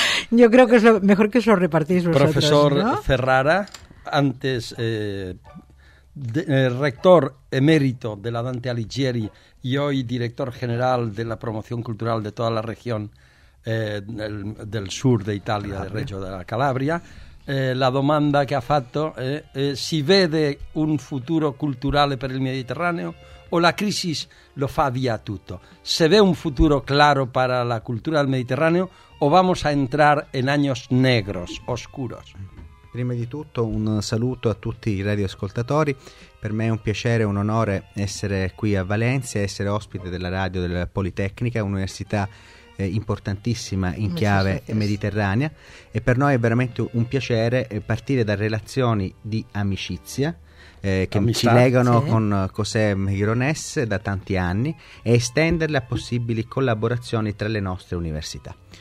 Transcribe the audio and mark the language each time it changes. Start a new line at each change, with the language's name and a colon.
Spanish: Yo creo que es lo mejor que os lo repartís vosotros. Profesor, ¿no? Ferrara, antes rector emérito de la Dante Alighieri y hoy director general de la promoción cultural de toda la región del sur de Italia, de Reggio de la Calabria.
Italian: La domanda que ha fatto è si vede un futuro culturale per il Mediterraneo o la crisi lo fa via tutto.
Spanish: Se ve un futuro claro per la cultura del Mediterraneo o vamos a entrar en años negros, oscuros?
Italian: Prima di tutto un saluto a tutti i radioascoltatori. Per me è un piacere e un onore essere qui a Valencia, essere ospite della radio della Politecnica, un'università importantissima in chiave mediterranea, e per noi è veramente un piacere partire da relazioni di amicizia che ci legano con José Gironès da tanti anni e estenderle a possibili collaborazioni tra le nostre università.